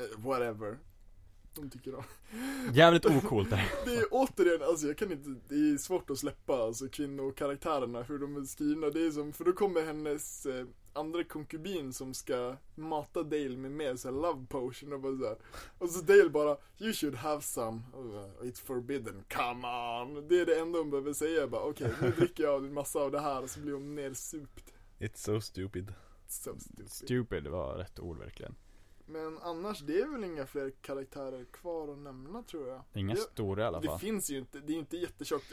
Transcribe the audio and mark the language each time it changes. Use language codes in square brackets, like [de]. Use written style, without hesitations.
[sv] Whatever. de tycker om. Jävligt ocoolt det. Det är återigen, alltså jag kan inte, det är svårt att släppa alltså kvinnokaraktärerna, hur de är skrivna. Det är som, för då kommer hennes andra konkubin som ska mata Dale med så här love potion och bara så här. Och så Dale bara, [en] you should have some, [sv] bara, [en] it's forbidden, come on. [sv] Det är det enda hon behöver säga, jag bara okej, okay, nu dricker jag en massa av det här och så blir hon nersupt. [en] It's so stupid. So stupid. [sv] Stupid var rätt ord verkligen. Men annars, det är väl inga fler karaktärer kvar att nämna, tror jag. Inga det, stora i alla fall. Det finns ju inte, det är inte jättetjockt.